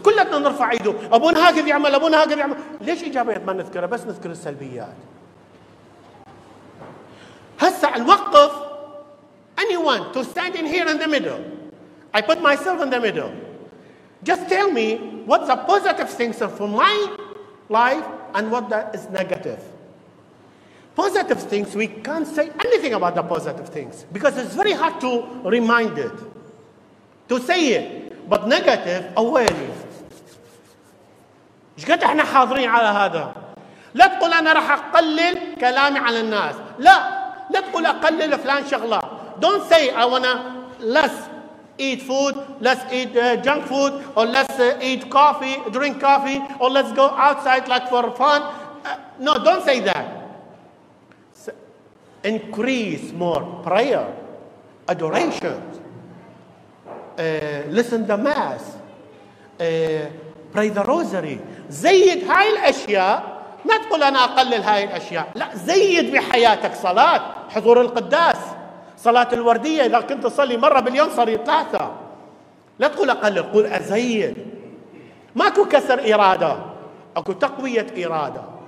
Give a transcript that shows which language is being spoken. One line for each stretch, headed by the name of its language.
Arabic: كلنا نرفع إيده، أبونا هكذا يعمل، أبونا هكذا يعمل، ليش إيجابيات ما نذكرها بس نذكر السلبيات؟ هسا نوقف.
English: Anyone to stand in here in the middle, I put myself in the middle. Just tell me what the positive things are for my life and what that is negative. Positive things, we can't say anything about the positive things because it's very hard to remind it, to say it. But negative, away.
Arabic: إيش قد إحنا حاضرين على هذا؟ لا تقول أنا راح أقلل كلامي على الناس. لا، لا تقول أقلل فلان شغلة.
English: Don't say I wanna less eat food, less eat junk food, or less eat coffee, drink coffee, or let's go outside like for fun. No, don't say that. Increase more prayer, adoration, listen to mass, pray the rosary.
Arabic: زيد هاي الأشياء. ما تقول أنا أقلل هاي الأشياء. لا، زيد بحياتك صلاة، حضور القداس. صلاة الوردية إذا كنت تصلي مرة باليوم صار 3. لا تقول أقلل، قول أزيد. ماكو كسر إرادة، أكو تقوية إرادة.